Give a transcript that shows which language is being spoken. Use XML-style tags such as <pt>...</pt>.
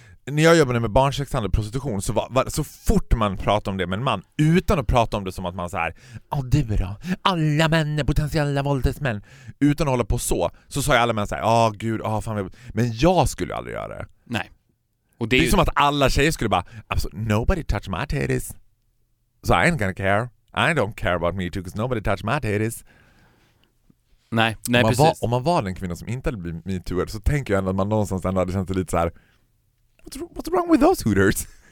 <sv>När jag jobbade med barnsexhandel och prostitution så var så fort man pratade om det med en man utan att prata om det som att man så här, ja, du då? Alla män är potentiella våldtäktsmän. Utan att hålla på så sa jag alla män så här, ja, gud, ja, fan. Men jag skulle aldrig göra det. Nej. Och det är ju som att alla tjejer skulle bara,</sv> <en>absolutely nobody touch my titties. So I ain't gonna care. I don't care about me too because nobody touch my titties.</en> <sv>Nej, om precis. Om man var den kvinna som inte hade blivit MeToo-ed så tänker jag ändå att man någonstans ändå hade känt sig lite så här,</sv> <en>what's wrong with those hooters?</en>